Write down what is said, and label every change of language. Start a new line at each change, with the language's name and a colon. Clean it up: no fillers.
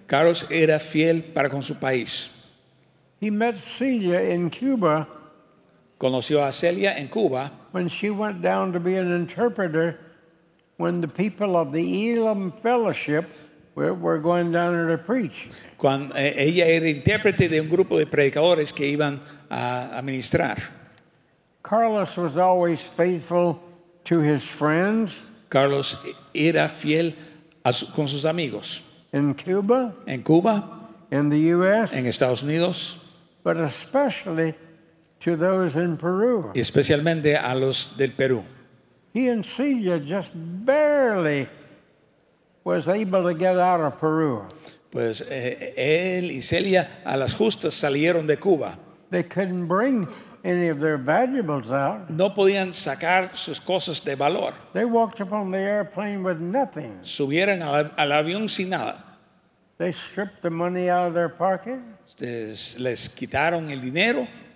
Spanish: Carlos era fiel para con su país.
English: He met Celia in Cuba.
Spanish: Conoció a Celia en Cuba.
English: When she went down to be an interpreter, when the people of the Elam Fellowship were going down there to preach.
Spanish: Cuando ella era intérprete de un grupo de predicadores que iban a ministrar.
English: Carlos was always faithful to his friends.
Spanish: Carlos era fiel con sus amigos.
English: In Cuba.
Spanish: En Cuba.
English: In the U.S.
Spanish: En Estados Unidos.
English: But especially to those in Peru.
Spanish: Y especialmente a los del Perú.
English: He and Celia just barely was able to get out of Peru.
Spanish: Pues él y Celia a las justas salieron de Cuba.
English: They couldn't bring any of their valuables out.
Spanish: No podían sacar sus cosas de valor.
English: They walked upon the airplane with nothing.
Spanish: Subieron al avión sin nada.
English: They stripped the money out of their pocket.
Spanish: Les quitaron el dinero.